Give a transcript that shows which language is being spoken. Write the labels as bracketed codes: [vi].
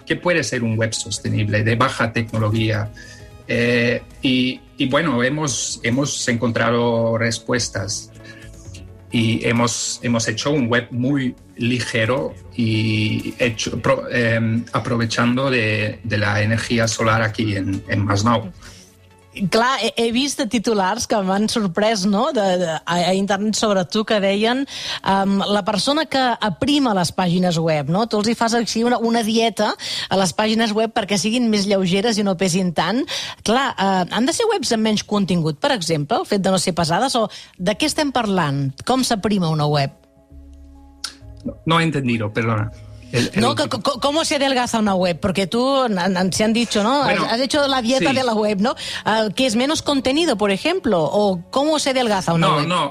[es] ¿Qué puede ser un web sostenible de baja tecnología? Y bueno, hemos encontrado respuestas. Y hemos hecho un web muy ligero y aprovechando de la energía solar aquí en Masnou. [ca] Clar, he vist titulars que m'han sorprès, no?, a internet, sobre tu, que deien la persona que aprima les pàgines web, no?, tu els hi fas així una dieta a les pàgines web perquè siguin més lleugeres i no pesin tant. Clar, han de ser webs amb menys contingut, per exemple, el fet de no ser pesades, o de què estem parlant? Com s'aprima una web? [es] No he entendido, perdona. ¿Cómo se adelgaza una web? Porque tú, se han dicho, ¿no? Bueno, has hecho la dieta sí. De la web, ¿no? Que es menos contenido, por ejemplo. ¿O cómo se adelgaza una web?